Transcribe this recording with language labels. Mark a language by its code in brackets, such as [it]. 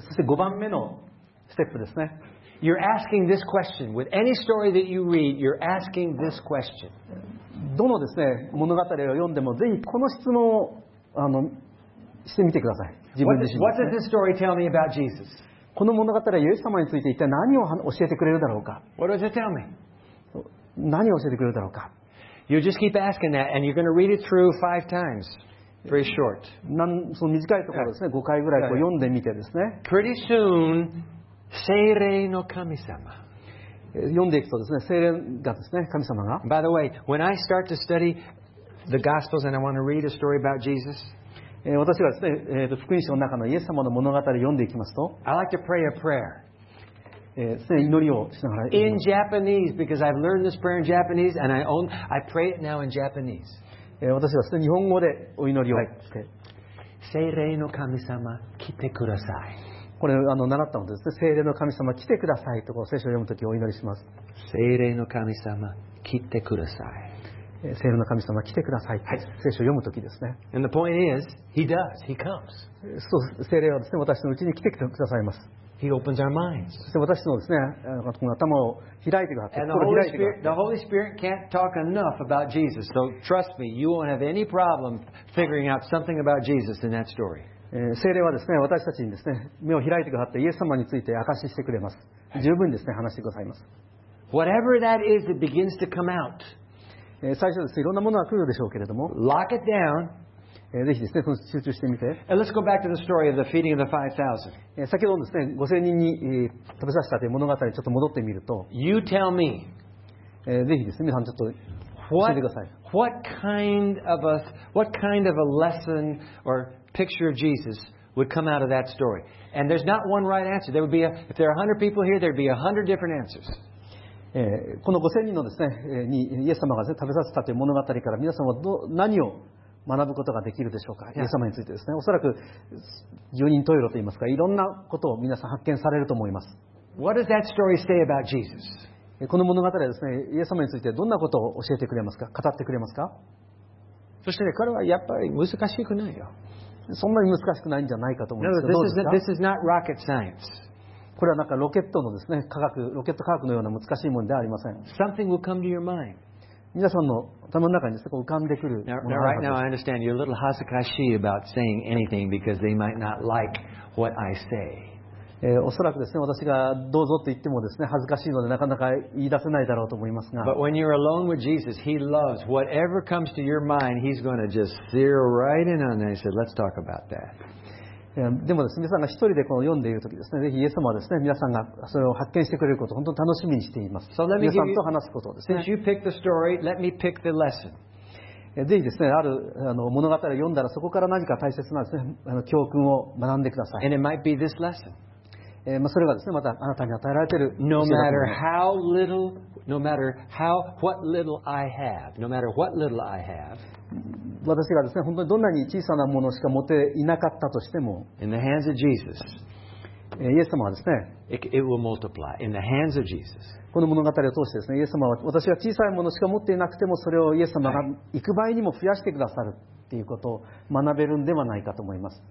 [ja] そして5番目のステップですね。 [en] You're asking this question. With any story that you read, you're asking this question. [ja] どのですね、物語を読んでも、ぜひこの質問をしてみてください。自分自身ですね。 [en] What does this story tell me about Jesus? [ja] この物語はイエス様について一体何を教えてくれるだろうか。 [en] What does it tell me? [ja] 何を教えてくれるだろうか。 [en] You just keep asking that, and you're going to read it through five times. Very short. [ja] その短いところですね、5回ぐらいこう読んでみてですね。 [en] Pretty soon, [ja] 聖霊の神様。読んでいくとですね、聖霊がですね、神様が。 [en] By the way, when I start to study the Gospels and I want to read a story about Jesus, [ja] 私がですね、福音書の中のイエス様の物語を読んでいきますと、 [en] I like to pray a prayer. [ja] 祈りをしながら。 [en] In Japanese, because I've learned this prayer in Japanese, and I pray it now in Japanese. [ja] 私はすでに日本語でお祈りをして、聖霊の神様来てください、これ習ったのですね、聖霊の神様来てくださいと聖書を読むときお祈りします。聖霊の神様来てください、聖霊の神様来てください、聖書を読むときですね。 [en] And the point is, he does, he comes. [ja] そう、聖霊はですね、私のうちに来てくださいます。 [en] He opens our minds. [ja] そして私のですね、この頭を開いてください。 [en] And the Holy Spirit, the Holy Spirit can't talk enough about Jesus. So trust me, you won't have any problem figuring out something about Jesus in that story. [ja] 聖霊はですね、私たちにですね、目を開いてくださってイエス様について証ししてくれます。十分ですね、話してくださいます。 [en] Whatever that is, it begins to come out. [ja] 最初ですね、いろんなものが来るでしょうけれども。 [en] Lock it down. [ja] ぜひですね、集中してみて。 [en] And let's go back to the story of the feeding of the 5,000. [ja] 先ほどですね、5,000 人に食べさせたという物語にちょっと戻ってみると。 [en] You tell me. [ja] ぜひですね、皆さんちょっと教えてください。 [en] What kind of a lesson or picture of Jesus would come out of that story? And there's not one right answer. There would be a, if there are 100 people here, there'd be 100 different answers. [ja] この5000人のですね、にイエス様が、ね、食べさせたという物語から皆さんは何を学ぶことができるでしょうか、イエス様についてですね。おそらく十人十色といいますか、いろんなことを皆さん発見されると思います。 [en] What does that story say about Jesus? [ja] この物語はですね、イエス様についてどんなことを教えてくれますか、語ってくれますか。そしてね、これはやっぱり難しくないよ、そんなに難しくないんじゃないかと思うんですけど、どうですか。 [en] This is not rocket science. [ja] これはなんかロケットのですね、科学、ロケット科学のような難しいものではありません。 [en] Something will come to your mind. [ja] 皆さんの頭の中にですね、浮かんでくるものがあります。 [en] Now, right now, I understand you're a little hasakashi about saying anything because they might not like what I say. [ja] おそらくですね、私がどうぞと言ってもですね、恥ずかしいのでなかなか言い出せないだろうと思いますが。 [en] But when you're alone with Jesus, he loves whatever comes to your mind, he's going to just zero right in on it and say, let's talk about that. [ja] でもですね、皆さんが一人でこの読んでいるときですね、ぜひイエス様はですね、皆さんがそれを発見してくれることを本当に楽しみにしています。 [en] So、let me [ja] 皆さんと話すことですね。 [en] Since you pick the story, let me pick the lesson. [ja] ぜひですね、ある物語を読んだらそこから何か大切なですね、教訓を学んでください。 [en] And it might be this lesson. [ja] それがですね、またあなたに与えられている。 [en] No matter how little, no matter how, what little I have, no matter what little I have, [ja] 私がですね、本当にどんなに小さなものしか持っていなかったとしても、 [en] In the hands of Jesus, [ja] イエス様はですね、 [en] it will multiply. In the hands of Jesus. [ja] この物語を通してですね、イエス様は私が小さいものしか持っていなくても、それをイエス様が幾倍にも増やしてくださるということを学べるんではないかと思います。